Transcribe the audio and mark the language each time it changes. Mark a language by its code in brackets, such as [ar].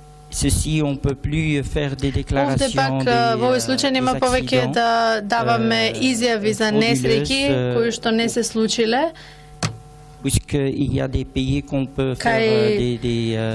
[fr] Ceci, on peut plus faire des déclarations. [mk] Овде пак во овој случај нема повеќе да даваме изјави за несреќи кои што не се случиле. [fr] Puisque il y a des pays qu'on peut faire des